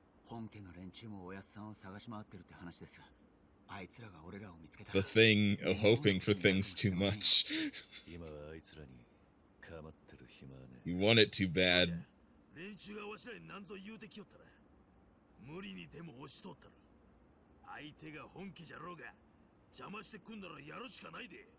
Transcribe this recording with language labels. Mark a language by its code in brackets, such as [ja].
[ja] 本家の連中もおやっさんを探し回ってるって話です。あいつらが俺らを見つけたら。 [en] The thing of hoping for things too much. [ja] 今はあいつらに構ってる暇はね。 [en] You want it too bad. [ja] 連中がわしらに何ぞ言うてきよったら、無理にでも押しとったら、相手が本家じゃろうが、邪魔してくんならやるしかないで。